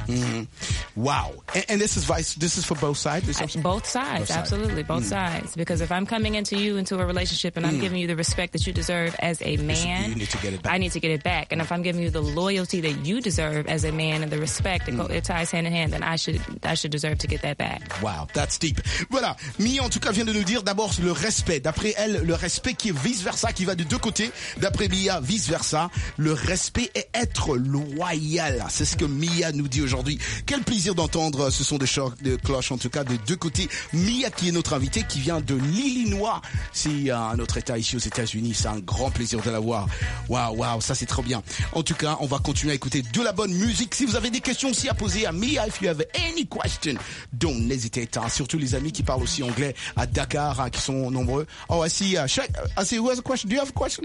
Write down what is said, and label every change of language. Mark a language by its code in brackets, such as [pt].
[en] Mm-hmm. Wow. And this is for both sides? Both sides, absolutely. absolutely, both sides. Because if I'm coming into you into a relationship and I'm giving you the respect that you deserve as a man, you need to get it back. I need to get it back. And if I'm giving you the loyalty that you deserve as a man and the respect that it ties hand in hand, then I should deserve to get that back. Wow, that's deep. [fr] Voilà, Mia en tout cas vient de nous dire d'abord le respect. D'après elle, le respect qui est vice versa, qui va de deux côtés. D'après Mia, vice versa, le respect est être loyal. C'est ce que Mia nous dit aujourd'hui. Quel plaisir d'entendre ce son de choc, de cloche, en tout cas, de deux côtés. Mia, qui est notre invitée, qui vient de l'Illinois. C'est un autre état ici aux États-Unis. C'est un grand plaisir de la voir. Waouh, waouh, ça c'est trop bien. En tout cas, on va continuer à écouter de la bonne musique. Si vous avez des questions aussi à poser à Mia, [en] if you have any question, don't hesitate. [fr] Hein. Surtout les amis qui parlent aussi anglais à Dakar, hein, qui sont nombreux. [en] Oh, I see, who has a question? Do you have a question?